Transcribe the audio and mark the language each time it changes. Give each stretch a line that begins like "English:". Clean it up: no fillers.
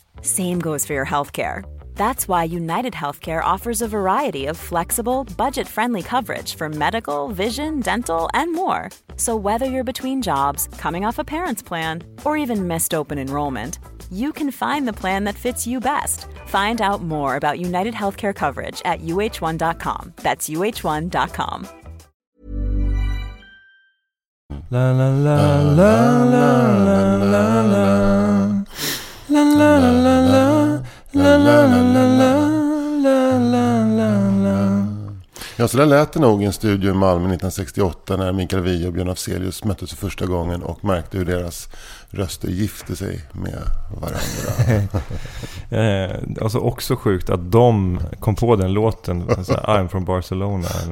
English: Same goes for your healthcare. That's why United Healthcare offers a variety of flexible, budget-friendly coverage for medical, vision, dental, and more. So whether you're between jobs, coming off a parent's plan, or even missed open enrollment, you can find the plan that fits you best. Find out more about United Healthcare coverage at uh1.com. That's uh1.com. La la la la la la la la la la la la la la la la la la la la la la.
Swedish: Ja, så där lät det nog i en studio i Malmö 1968 när Mikael Wiehe och Björn Afzelius möttes för första gången och märkte hur deras röster gifte sig med varandra. Alltså också sjukt att de kom på den låten, såhär, I'm from Barcelona.